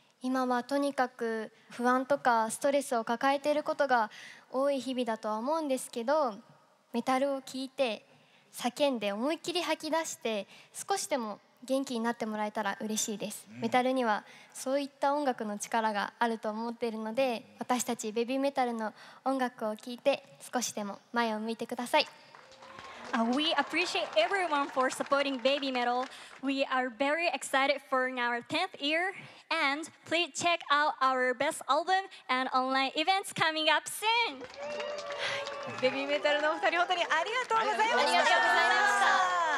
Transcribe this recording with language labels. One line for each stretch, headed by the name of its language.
Japanese: 今はとにかく不安とかストレスを抱えていることが多い日々だとは思うんですけどメタルを聞いて叫んで思いっきり吐き出して少しでも元気になってもらえたら嬉しいです、うん、メタルにはそういった音楽の力があると思っているので私たちベビーメタルの音楽を聞いて少しでも前を向いてください
English: We appreciate everyone for supporting Baby Metal. We are very excited for our 10th year. And please check out our best album and online events coming up soon.
Japanese: Baby Metal のお二人、本当にありがとうございました。ありがとうございました。